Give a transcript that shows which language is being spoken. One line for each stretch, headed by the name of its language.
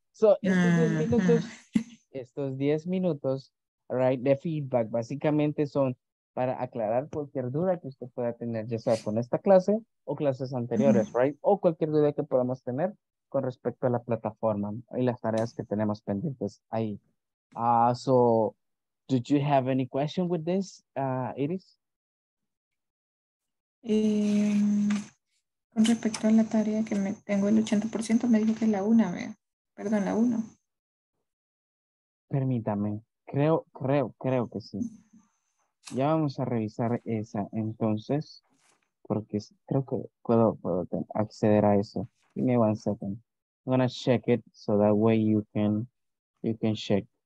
Spanish: So, estos 10 minutos, right, de feedback, básicamente son para aclarar cualquier duda que usted pueda tener, ya sea con esta clase o clases anteriores, right, o cualquier duda que podamos tener con respecto a la plataforma y las tareas que tenemos pendientes ahí.
English: So, did you have any question with this, Iris?
Spanish: Con respecto a la tarea que me tengo el 80%, me dijo que es la 1, perdón, la 1. Permítame, creo que sí. Ya vamos a revisar esa entonces, porque creo que puedo acceder a eso.
English: Give me one second. I'm gonna check it so that way you can check.